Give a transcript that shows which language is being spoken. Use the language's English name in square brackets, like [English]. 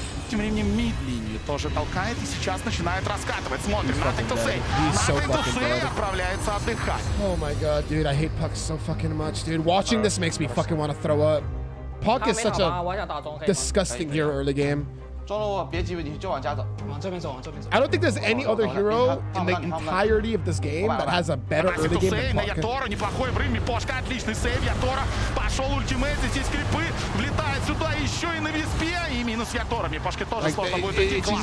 [Russian] Тем временем мид-линию тоже толкает и сейчас начинает раскатывать. Смотрим, Nothing to say. Nothing to say отправляется отдыхать. [English] Oh my god, dude, I hate Puck so fucking much, dude. Watching this makes me fucking want to throw up. Puck is such a disgusting hero early game. I don't think there's any other hero in the entirety of this game that has a better early game than Puck. [Russian] Неплохое время, Пошка, отличный сейв, Ятора пошел ультимейт, здесь скрипы, влетает сюда еще и на виспе, и минус Ятора, мне Пошке тоже сложно будет идти классно.